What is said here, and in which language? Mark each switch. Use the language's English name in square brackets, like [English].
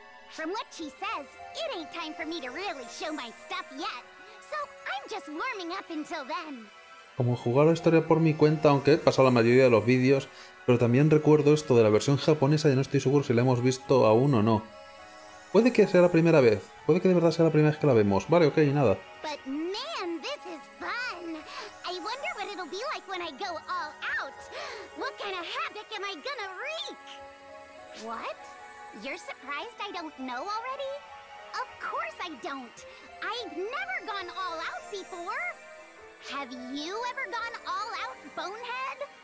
[English] From what she says, it ain't time for me to really show my stuff yet, so I'm just warming up until then. [Spanish] Como jugar la historia por mi cuenta, aunque he pasado la mayoría de los vídeos, pero también recuerdo esto de la versión japonesa y no estoy seguro si la hemos visto aún o no. Puede que sea la primera vez, puede que de verdad sea la primera vez que la vemos. Vale, ok, nada. [English] But man, this is fun. I wonder what it'll be like when I go all out. What kind of havoc am I gonna wreak? What? You're surprised I don't know already? Of course I don't. I've never gone all out before. Have you ever gone all out, Bonehead?